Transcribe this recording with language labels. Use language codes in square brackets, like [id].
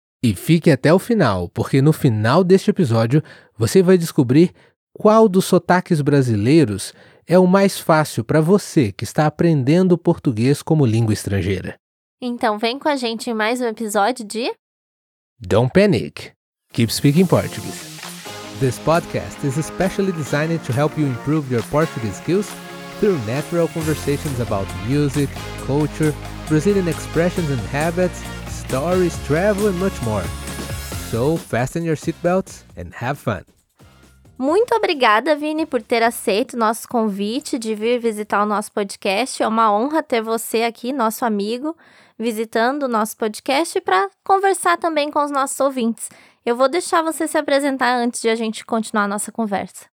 [pt] E fique até o final, porque no final deste episódio, você vai descobrir qual dos sotaques brasileiros é o mais fácil para você que está aprendendo português como língua estrangeira. Então, vem com a gente em mais um episódio de... [en] Don't panic. Keep speaking Portuguese. This podcast is especially designed to help you improve your Portuguese skills through natural conversations about music, culture, Brazilian expressions and habits, stories, travel and much more. So, fasten your seatbelts and have fun. [pt] Muito obrigada, Vini, por ter aceito o nosso convite de vir visitar o nosso podcast. É uma honra ter você aqui, nosso amigo, visitando o nosso podcast para conversar também com os nossos ouvintes. Eu vou deixar você se apresentar antes de a gente continuar a nossa conversa.